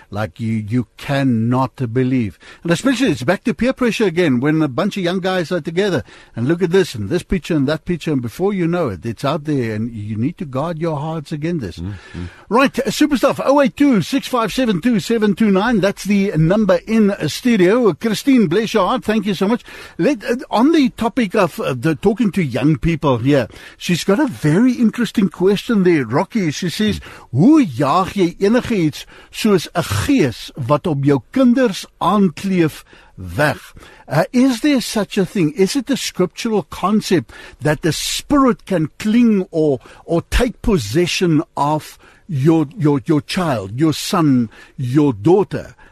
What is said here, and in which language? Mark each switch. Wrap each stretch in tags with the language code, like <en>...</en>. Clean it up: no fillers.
<en>like you cannot believe. And especially it's back to peer pressure again, when a bunch of young guys are together and look at this and this picture and that picture, and before you know it, it's out there, and you need to guard your hearts against this. Mm-hmm. Right, super stuff. 082-657-2729, that's the number in a studio. Christine, bless your, thank you so much. On the topic of the talking to young people here, she's got a very interesting question there, Rocky. She says,</en> <af>"Hoe jaag jy enige iets soos 'n gees wat op jou kinders aankleef weg?"</af> <en>Is there such a thing? Is it a scriptural concept that the spirit can cling or take possession of your child, your son, your daughter?</en>